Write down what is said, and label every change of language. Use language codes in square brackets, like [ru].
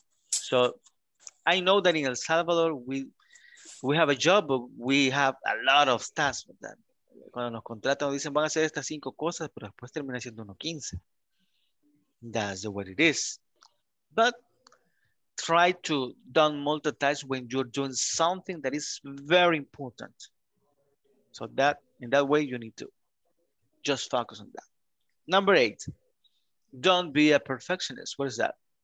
[en] So, I know that in El Salvador we have a job, but we have a lot of tasks, [es] ¿verdad? Cuando nos contratan, nos dicen, van a hacer estas cinco cosas, pero después termina siendo 1:15. [en] That's the way it is. But try to don't multitask when you're doing something that is very important. So that, in that way, you need to just focus on that. Number eight, don't be a perfectionist. What is that?